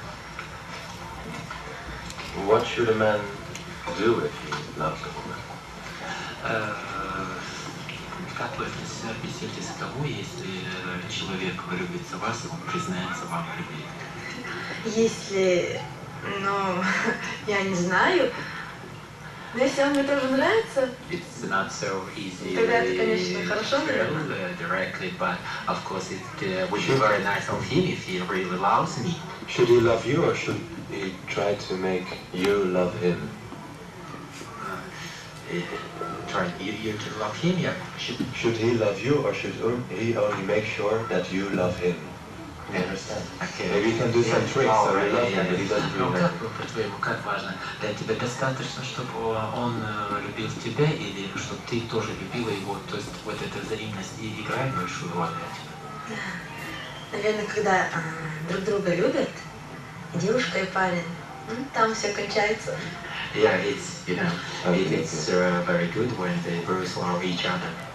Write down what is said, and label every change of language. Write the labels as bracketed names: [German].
[English] What should a man do if he loves a woman? [Russian] Как вы относитесь к тому, если человек влюбится в вас, он признается вам в любви? Если, ну, я не знаю, но если он мне тоже нравится, [English] it's not so easy. [Russian] Тогда это, конечно, хорошо, наверное. [English] Directly, but of course it would be very nice of him if he really loves me. Should he love you or should he try to make you love him? Trying you to love him, yeah. Should he love you or should he only make sure that you love him? You understand? Okay. Maybe you can do some tricks so he loves him, but he doesn't really like him. [Russian] По-твоему, как важно? Для тебя достаточно, чтобы он любил тебя или чтобы ты тоже любила его? То есть вот эта взаимность играет большую роль для тебя? Наверное, когда друг друга любят, девушка и парень, ну, там все кончается. [English] Yeah, it's, you know, it's very good when they both love each other.